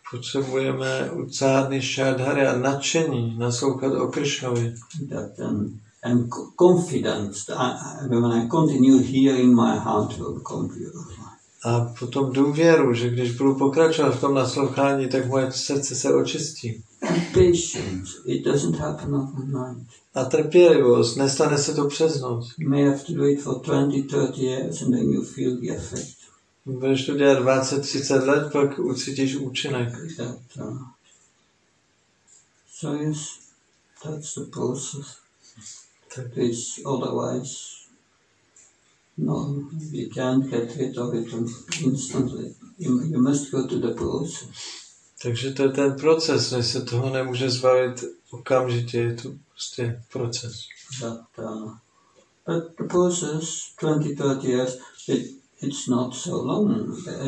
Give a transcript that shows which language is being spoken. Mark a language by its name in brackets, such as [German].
[Czech] Potřebujeme ucádný šádhary a nadšení naslouchat o Krišnovi. [English] That I'm confident that when I continue hearing, my heart will become beautiful. [Czech] A potom důvěru, že když budu pokračovat v tom naslouchání, tak moje srdce se očistí. [English] Patience, it doesn't happen overnight. [Czech] A trpělivost, nestane se to přes noc. [English] May have to do it for 20-30 years and then you feel the effect. [Czech] Budeš to dělat 20-30 let, pak ucítíš účinek. [English] So yes, that's the process. That is otherwise, no, you can't get rid of it instantly. You must go to the process. [Czech] Takže to je ten proces, než se toho nemůže zbavit okamžitě, je to prostě proces. [English] But the process, 20-30 years, it's not so long.